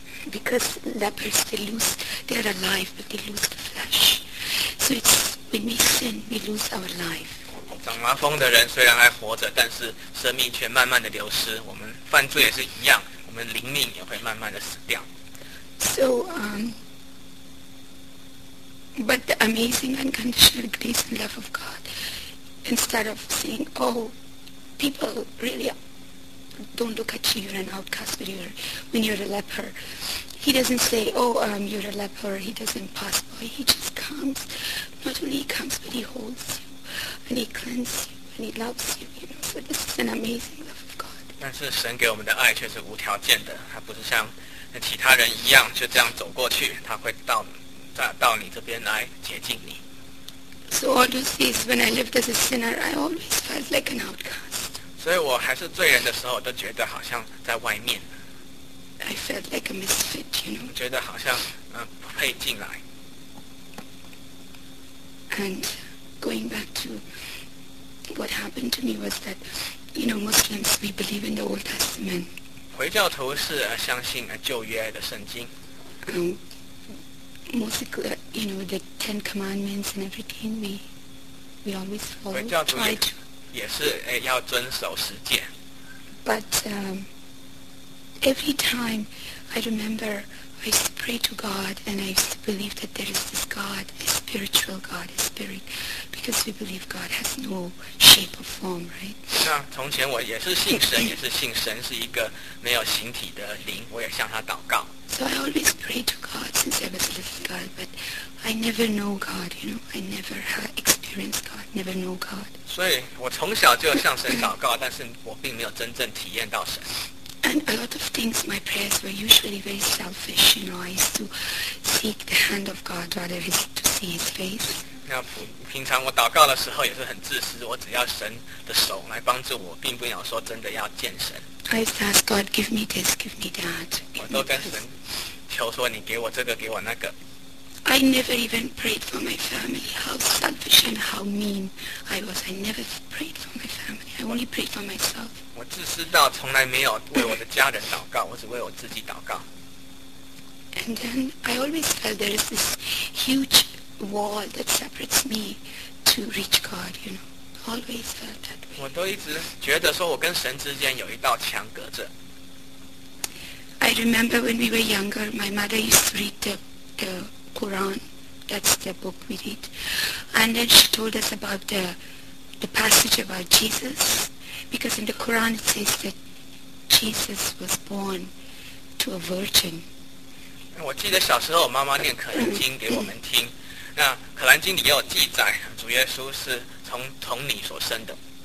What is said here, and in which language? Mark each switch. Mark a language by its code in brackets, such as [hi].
[en] because lepers, they lose, they are alive, but they lose the flesh. So it's when we sin, we lose our life. [zh] 长麻风的人虽然还活着，但是生命却慢慢的流失。我们犯罪也是一样，我们灵命也会慢慢的死掉。 [en] So, but the amazing unconditional grace and love of God, instead of saying, "Oh, people really don't look at you, you're an outcast when you're a leper," He doesn't say, "Oh, you're a leper." He doesn't pass by. He just comes. Not only he comes, but he holds you. And he cleanses you, and he loves you. You know, so this is an amazing love of God. [zh] 但是神给我们的爱却是无条件的，他不是像其他人一样就这样走过去，他会到你这边来洁净你。 [en] So all those days when I lived as a sinner, I always felt like an outcast. [zh] 所以我还是罪人的时候，都觉得好像在外面。 [en] I felt like a misfit, you know. [zh] 觉得好像不配进来。 [en] And. Going back to what happened to me was that, you know, Muslims, we believe in the Old Testament. [zh] 回教徒是相信旧约的圣经。 [en] Mostly, you know, the Ten Commandments and everything, we always follow. [zh] 回教徒也是要遵守十诫。 [en] But every time I remember, I used to pray to God and I used to believe that there is this God, a spiritual God, a spirit. Because we believe God has no shape or form, right? [zh] 那从前我也是信神，也是信神是一个没有形体的灵，我也向他祷告。 [en] So I always pray to God since I was a little girl, but I never know God. You know, I never experienced God, never know God. [zh] 所以我从小就向神祷告，但是我并没有真正体验到神。 [en] And a lot of things, my prayers were usually very selfish. You know, I used to seek the hand of God rather than to see His face. [zh] 那平常我祷告的时候也是很自私，我只要神的手来帮助我，并不想说真的要见神。 [en] I used to ask God, give me this, give me that. [zh] 我都跟神求说，你给我这个，给我那个。 [en] I never even prayed for my family. How selfish and how mean I was. I never prayed for my family. I only prayed for myself. [zh] 我自私到从来没有为我的家人祷告，我只为我自己祷告。 [en] And then I always felt there is this huge. Wall that separates me to reach God, you know. Always felt that way. [zh] 我都一直觉得说我跟神之间有一道墙隔着。 [en] I remember when we were younger, my mother used to read the Quran. That's the book we read. And then she told us about the passage about Jesus, because in the Quran it says that Jesus was born to a virgin. [zh] 我记得小时候我妈妈念可兰经给我们听。那可兰经里也有记载，主耶稣是从你所生的。